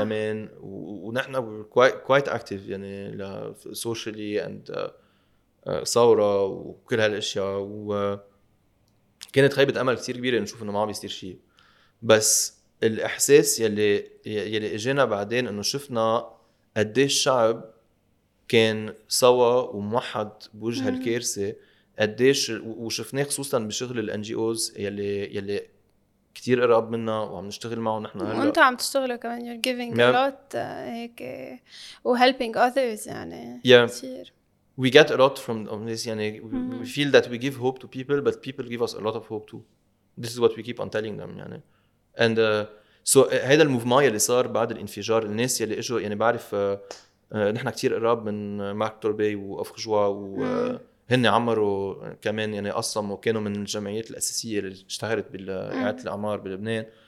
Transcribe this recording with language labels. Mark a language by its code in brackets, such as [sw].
[ar] كمان ونحن كويت أكتيف يعني سوشيالي أند ثورة وكل هالأشياء و كانت خيبة أمل كتير كبيرة نشوف إنه ما عم بيصير شيء بس الإحساس يلي إجينا بعدين إنه شفنا قديش الشعب كان سوا وموحد بوجه الكارثة قديش وشفناه خصوصاً بشغل الـ NGOs يلي كتير قراب منا وعم نشتغل معه نحن هلأ وانتو عم تشتغلوا كمان [en] you're giving a lot [ar] هيك و [en] helping others [ar] يعني [en] كتير We get a lot from this. يعني we feel that we give hope to people, but people give us a lot of hope too. This is what we keep on telling them. يعني. And so [ar] هذا الموفما يلي صار بعد الانفجار الناس يلي إجوا يعني بعرف نحنا كتير قراب من مارك توربي وأفخجوا وهن عمروا كمان يعني أصلا وكانوا من الجمعيات الأساسية اللي اشتهرت بالإعادة الأعمار بلبنان.